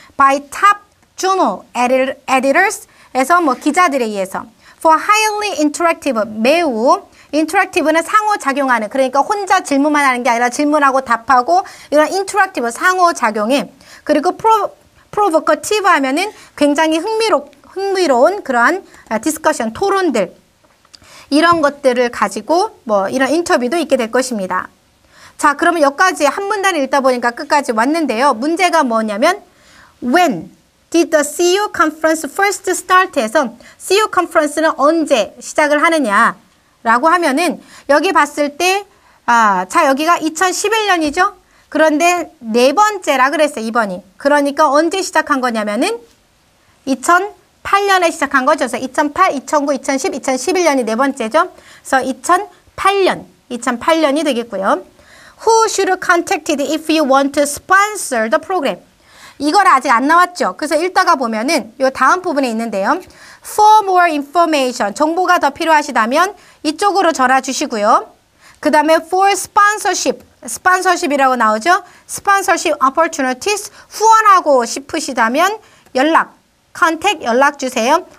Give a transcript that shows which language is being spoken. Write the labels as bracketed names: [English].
[Korean] By top journal editors에서 뭐 기자들에 의해서 for highly interactive 매우 interactive는 상호 작용하는 그러니까 혼자 질문만 하는 게 아니라 질문하고 답하고 이런 interactive 상호 작용에 그리고 provocative 하면은 굉장히 흥미로운 그러한 discussion 토론들 이런 것들을 가지고 뭐 이런 인터뷰도 있게 될 것입니다. 자, 그러면 여기까지 한 문단을 읽다 보니까 끝까지 왔는데요. 문제가 뭐냐면 [English] When did the CEO conference first start? [Korean] 해서 CEO conference는 언제 시작을 하느냐 라고 하면은 여기 봤을 때 여기가 2011년이죠. 그런데 네 번째라 그랬어요. 2번이. 그러니까 언제 시작한 거냐면은 2008년에 시작한 거죠. 그래서 2008, 2009, 2010, 2011년이 네 번째죠. 그래서 2008년이 되겠고요. [English] Who should contact if you want to sponsor the program? [Korean] 이걸 아직 안 나왔죠. 그래서 읽다가 보면은 요 다음 부분에 있는데요. [English] For more information, [Korean] 정보가 더 필요하시다면 이쪽으로 전화 주시고요. 그 다음에 for sponsorship, sponsorship이라고 나오죠. Sponsorship opportunities, 후원하고 싶으시다면 연락, contact 연락 주세요.